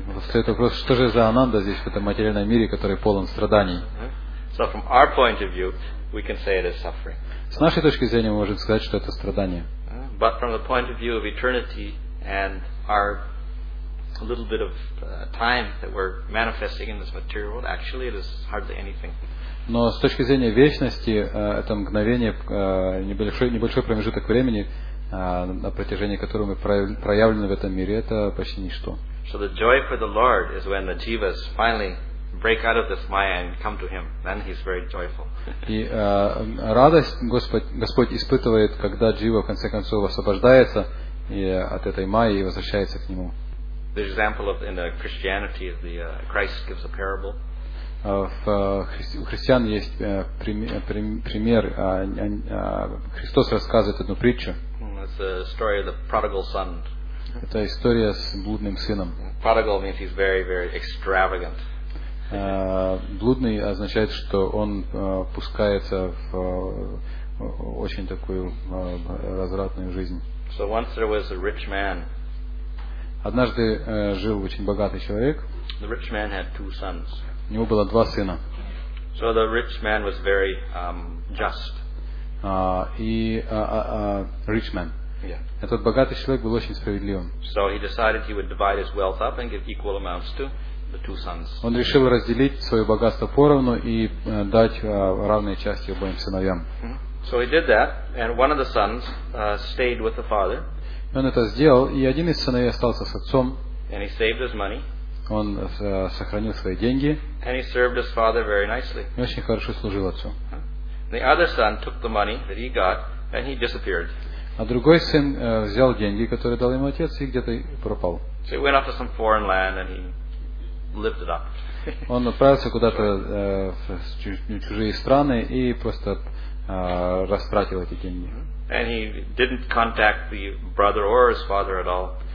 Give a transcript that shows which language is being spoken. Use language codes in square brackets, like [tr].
[ru] Стоит вопрос, что же за Ананда здесь, в этом материальном мире, который полон страданий? [en] So, from our point of view, we can say it is suffering. [ru] С нашей точки зрения, мы можем сказать, что это страдание. [en] But from the point of view of eternity and our a little bit of time that we're manifesting in this material world, actually it is hardly anything. [ru] Но с точки зрения вечности, это мгновение, небольшой промежуток времени, на протяжении которого мы проявлены в этом мире, это почти ничто. [en] So the joy for the Lord is when the jivas finally break out of this maya and come to him. Then he's very joyful. [ru] И радость Господь испытывает, когда джива в конце концов освобождается от этой майи и возвращается к нему. [en] The example of in the Christianity, the Christ gives a parable. [ru] У христиан есть пример. Христос рассказывает одну притчу. [en] It's the story of the prodigal son. [ru] Это история с блудным сыном. [en] Prodigal means he's very, very extravagant. [ru] Блудный означает, что он пускается в очень такую развратную жизнь. [en] So once there was a rich man. [ru] Однажды жил очень богатый человек. [en] The rich man had two sons. [ru] У него было два сына. [en] So the rich man was very just. Rich man. Yeah. [ru] Этот богатый человек был очень справедливым. [en] So he decided he would divide his wealth up and give equal amounts to the two sons. [ru] Он решил разделить свое богатство поровну и дать равные части обоим сыновьям. Mm-hmm. [en] So he did that, and one of the sons stayed with the father. [ru] Он это сделал, и один из сыновей остался с отцом. [en] And he saved his money. [ru] Он сохранил свои деньги. [en] And he served his father very nicely. [ru] И очень хорошо служил отцу. [en] The other son took the money that he got, and he disappeared. [ru] А другой сын взял деньги, которые дал ему отец, и где-то пропал. [en] So he went off to some foreign land, and he lived it up. [ru] Он отправился куда-то в чужие страны и просто растратил эти деньги. [en] And he didn't contact the brother or his father at all.